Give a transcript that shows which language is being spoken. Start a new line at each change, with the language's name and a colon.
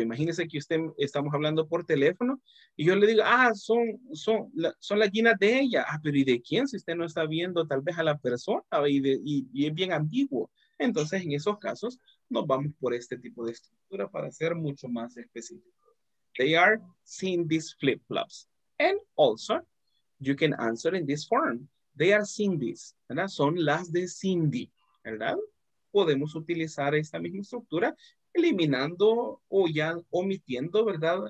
Spanish: Imagínese que usted, estamos hablando por teléfono, y yo le digo, ah, son las llenas de ella. Ah, pero ¿y de quién? Si usted no está viendo tal vez a la persona, y es bien ambiguo. Entonces, en esos casos, nos vamos por este tipo de estructura para ser mucho más específico.
English: They are seeing these flip-flops. And also, you can answer in this form. They are Cindy's,
Spanish: ¿verdad? Son las de Cindy, ¿verdad? Podemos utilizar esta misma estructura eliminando o ya omitiendo, ¿verdad?